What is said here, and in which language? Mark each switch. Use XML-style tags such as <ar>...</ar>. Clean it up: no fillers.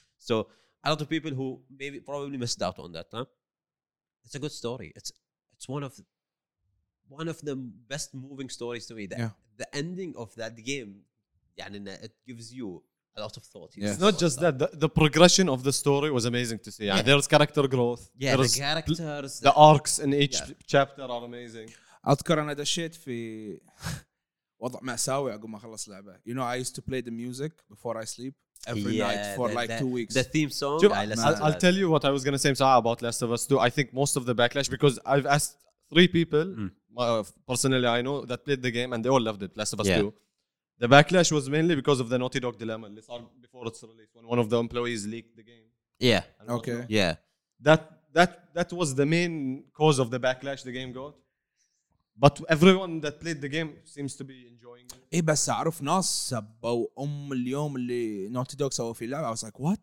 <en>So a lot of people who maybe probably missed out on that. Huh? It's a good story. It's one of the best moving stories to me. The ending of that game,</en> <ar>يعني</ar> <en>it gives you a lot of thought. It's not just that. The progression of the story was amazing to see. Yeah. Yeah. There's character growth. Yeah, there's the characters. The arcs in each chapter are amazing.</en> <ar>أذكر أنا دشيت في وضع مأساوي عقب ما خلص لعبة.</ar> <en>You know, I used to play the music before I sleep every night for like 2 weeks. The theme song. I'll tell you what I was going to say about Last of Us 2. I think most of the backlash because I've asked 3 people. Personally, I know that played the game and they all loved it. Last of Us 2. The backlash was mainly because of the Naughty Dog dilemma before its release when one of the employees leaked the game. Yeah. Okay. Yeah. That was the main cause of the backlash the game got. But everyone that played the game seems to be enjoying it.</en> <ar>إيه بس أعرف ناس سبوا أم اليوم اللي Naughty Dog سووا في اللعبة.</ar> <en>I was like, what?</en>